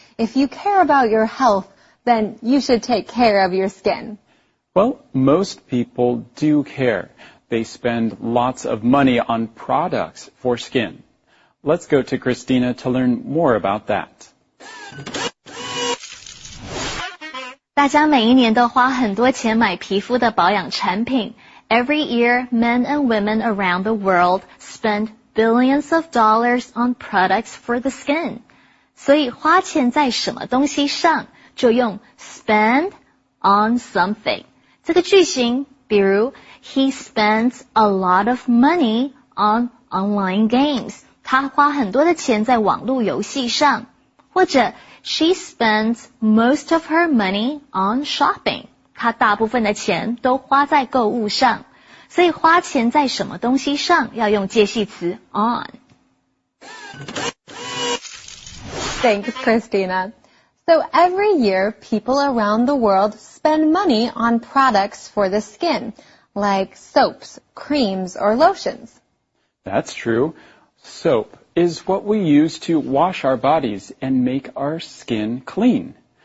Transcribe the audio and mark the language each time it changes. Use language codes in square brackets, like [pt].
[en] If you care about your health, then you should take care of your skin. Well, most people do care. They spend lots of money on products for skin. Let's go to Christina to learn more about that. [zh] 大家每一年都花很多钱买皮肤的保养产品。 [en] Every year, men and women around the world spend billions of dollars on products for the skin. [zh] 所以花钱在什么东西上就用 [en] spend on something. [zh] 这个句型比如 [en] he spends a lot of money on online games. [zh] 他花很多的钱在网络游戏上。或者 [en] she spends most of her money on shopping. [zh] 他大部分的钱都花在购物上，所以花钱在什么东西上要用介系词 on. [en] Thanks, Christina. So every year, people around the world spend money on products for the skin, like soaps, creams, or lotions. That's true. Soap is what we use to wash our bodies and make our skin clean.